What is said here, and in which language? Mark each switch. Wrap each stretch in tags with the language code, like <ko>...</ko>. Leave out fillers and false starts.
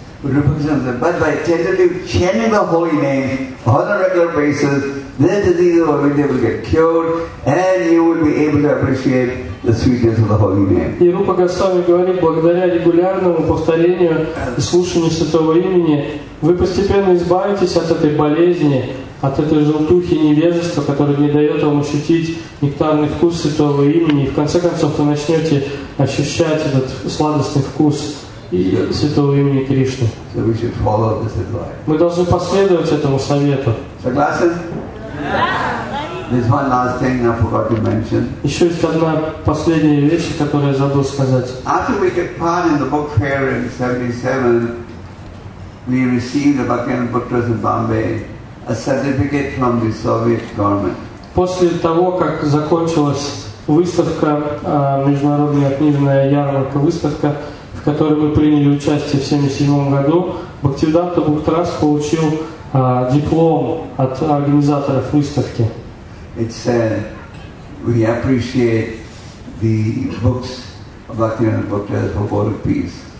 <en>But by tentatively chanting the holy name on a regular basis, this disease of avidya will get cured, and you will be able to appreciate the sweetness of the holy name.</en> <ru>И Рупа Госвами говорит, благодаря регулярному повторению и слушанию святого имени, вы постепенно избавитесь от этой болезни, от этой желтухи невежества, которая не дает вам ощутить нектарный вкус святого имени, и в конце концов вы начнете ощущать этот сладостный вкус святого имени Кришны.</ru> <en>So we should follow this advice.</en> <ru>Мы должны последовать этому совету. Согласен?</ru> <en>There's one last thing I forgot to mention.</en> <ru>Еще есть одна последняя вещь, которую я забыл сказать.</ru> <en>After we took part in the book fair in 77, we received the Bhaktivinoda Bhutras in Bombay a certificate from the Soviet government.</en> <ru>После того, как закончилась выставка, международная книжная ярмарка, выставка, в которой мы приняли участие в 1977 году, Бхактивиданта Бхуктрас получил диплом от организаторов выставки.</ru> <en>It said, we appreciate the books of Bhaktivinoda Bhuktas for world peace.</en>